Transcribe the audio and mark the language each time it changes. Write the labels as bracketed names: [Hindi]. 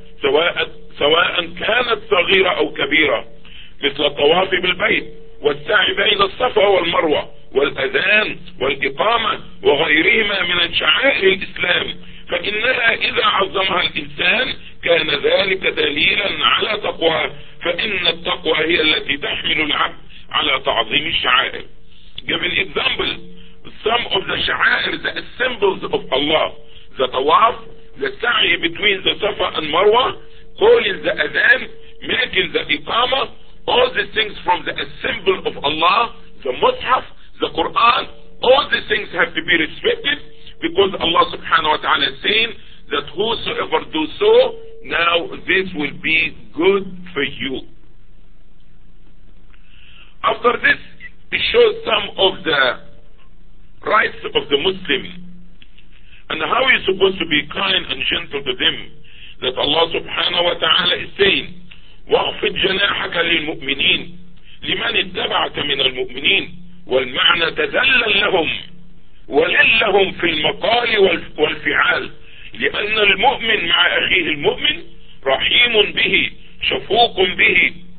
[Arabic] سواء كانت صغيرة أو كبيرة، مثل الطواف بالبيت والسعي بين الصفا والمروة والأذان والإقامة وغيرهما من شعائر الإسلام، فإنها إذا عظمها الإنسان كان ذلك دليلا على تقوى، فإن التقوى هي التي تحمل العبد على تعظيم الشعائر. [English] Give an example. Some of the شعائر, the symbols of Allah, the tawaf, the سعي between the صفا and مروة, calling the أذان, making the إقامة, all the things from the symbol of Allah, the مصحف, the Quran, all these things have to be respected, because Allah subhanahu wa ta'ala is saying that whosoever do so, now this will be good for you. After this, it shows some of the rights of the Muslim and how he's supposed to be kind and gentle to them, that Allah subhanahu wa ta'ala is saying, [Arabic] وَاخْفِضْ جَنَاحَكَ لِلْمُؤْمِنِينَ لِمَنِ اتَّبَعَكَ مِنَ الْمُؤْمِنِينَ والمعنى تذلل لهم وللهم في المقال والفعال، لأن المؤمن مع أخيه المؤمن رحيم به شفوق به